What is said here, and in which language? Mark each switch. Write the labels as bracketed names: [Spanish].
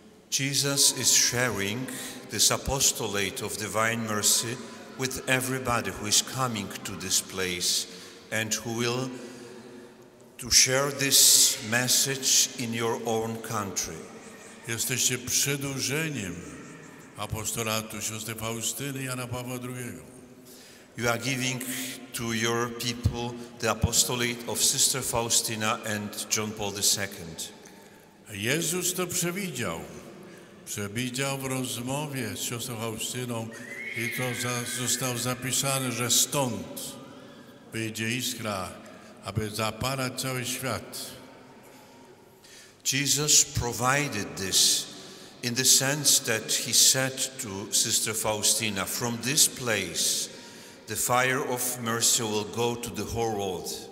[English] Jesus is sharing this apostolate of divine mercy with everybody who is coming to this place and who will to share this message in your own country. [Polish] Jesteście przedłużeniem apostolatu siostry Faustyny Jana Pawła II. [English] You are giving to your people the apostolate of Sister Faustina and John Paul II. [Polish] Jezus to przewidział. Przewidział w rozmowie z siostrą Faustyną i to zostało zapisane, że stąd wyjdzie iskra, aby zapalać cały świat. [English] Jesus provided this in the sense that he said to Sister Faustina, from this place the fire of mercy will go to the whole world.